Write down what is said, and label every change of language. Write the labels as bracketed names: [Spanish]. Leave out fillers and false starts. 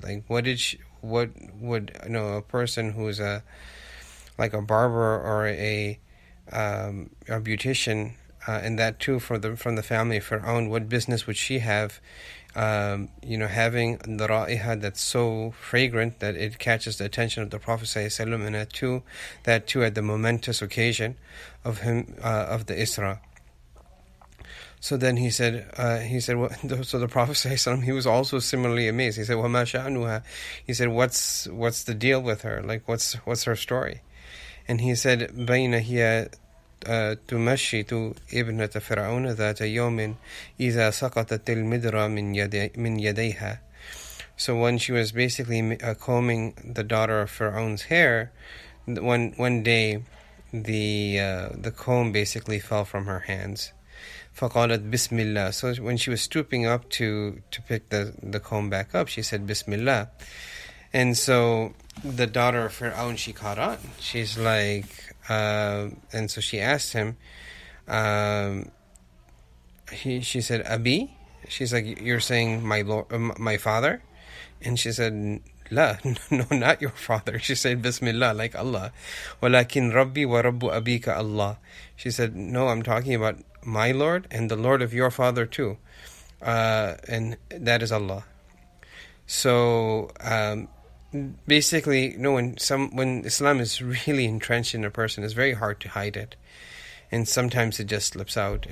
[English] Like, what did she, what would, you know, a person who is a, like a barber or a beautician, and that too from the family of Fir'aun, what business would she have, you know, having the ra'iha that's so fragrant that it catches the attention of the Prophet sallallahu alaihi wasallam, and that too at the momentous occasion of him, of the Isra. So then he said, so the Prophet ﷺ, he was also similarly amazed. He said, [Arabic] وَمَا شَأْنُهَا? [English] He said, what's the deal with her? Like, what's her story? And he said, [Arabic] بَيْنَ هِيَ تُمَشِّتُ إِبْنَةَ فِرْعَوْنَ ذَاتَ يَوْمٍ إِذَا سَقَطَتِ الْمِدْرَ مِنْ يَدَيْهَا. [English] So when she was basically combing the daughter of Fir'aun's hair, one day the comb basically fell from her hands. [Arabic] فَقَالَتْ بِسْمِ اللَّهِ. [English] So when she was stooping up to pick the comb back up, she said, Bismillah. And so the daughter of Fir'aun, she caught on. She's like, and so she asked him, she said, Abi? She's like, you're saying my lord, my father? And she said, La, no, not your father. She said, Bismillah, like Allah. [Arabic] وَلَكِنْ رَبِّي وَرَبُّ أَبِيكَ Allah. [English] She said, no, I'm talking about my Lord and the Lord of your father too, and that is Allah. So basically, you know, when Islam is really entrenched in a person, it's very hard to hide it, and sometimes it just slips out.